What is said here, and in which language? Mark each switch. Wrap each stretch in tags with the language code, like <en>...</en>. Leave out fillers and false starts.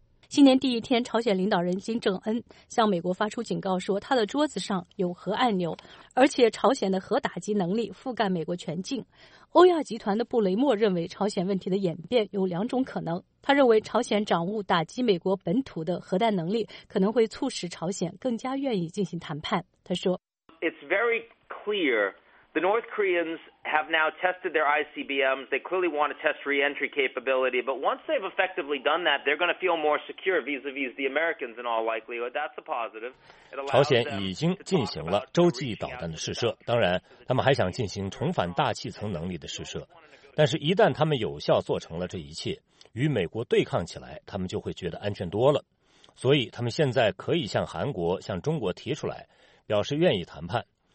<zh>新年第一天，朝鲜领导人金正恩向美国发出警告说，他的桌子上有核按钮，而且朝鲜的核打击能力覆盖美国全境。欧亚集团的布雷默认为，朝鲜问题的演变有两种可能。他认为朝鲜掌握打击美国本土的核弹能力，可能会促使朝鲜更加愿意进行谈判。他说</zh> <en>It's very clear. The North Koreans have now tested their ICBMs. They clearly want to test re-entry capability. But once they've effectively done that, they're going to feel more secure vis-a-vis the Americans in all likelihood. That's a positive.</en> <zh>朝鲜已经进行了洲际导弹的试射，当然，他们还想进行重返大气层能力的试射。但是，一旦他们有效做成了这一切，与美国对抗起来，他们就会觉得安全多了。所以，他们现在可以向韩国、向中国提出来，表示愿意谈判。</zh>